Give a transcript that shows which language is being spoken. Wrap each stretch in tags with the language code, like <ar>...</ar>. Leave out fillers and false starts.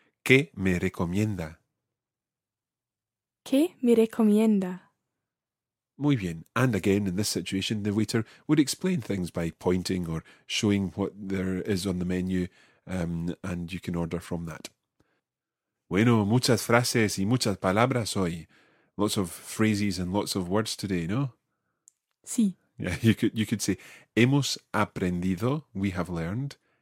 <es>¿Qué me recomienda? ¿Qué me recomienda? Muy bien.</es> <en>And again, in this situation, the waiter would explain things by pointing or showing what there is on the menu, and you can order from that.</en> <es>Bueno, muchas frases y muchas palabras hoy.</es> <en>Lots of phrases and lots of words today,</en> <es>¿no? Sí.</es> <en>Yeah, you could say,</en> <es>hemos aprendido,</es> <en>we have learned.</en>